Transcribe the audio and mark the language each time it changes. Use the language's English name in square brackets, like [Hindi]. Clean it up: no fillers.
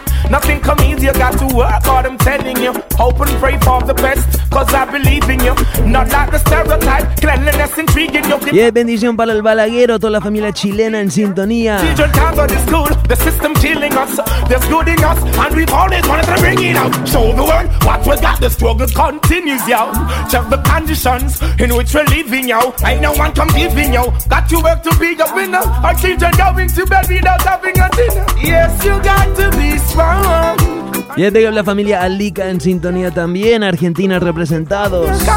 [English] Nothing come easy, you got to work hard, I'm telling you. Hope and pray for the best, cause I believe in you. Not like the stereotype, cleanliness intriguing you. [Spanish] Yeah, bendición para el balaguero, toda la familia chilena en sintonía. [English] Children can't go to school, the system killing us. There's good in us, and we've always wanted to bring it out. Show the world what we got, the struggle continues, yo. Check the conditions in which we're living, yo. Ain't no one come giving, yo. Got to work to be a winner. Our children going to bed without having a dinner. Yes, you got to be strong. [Spanish] Y ahí tengo la familia Alica en sintonía también, Argentina representados.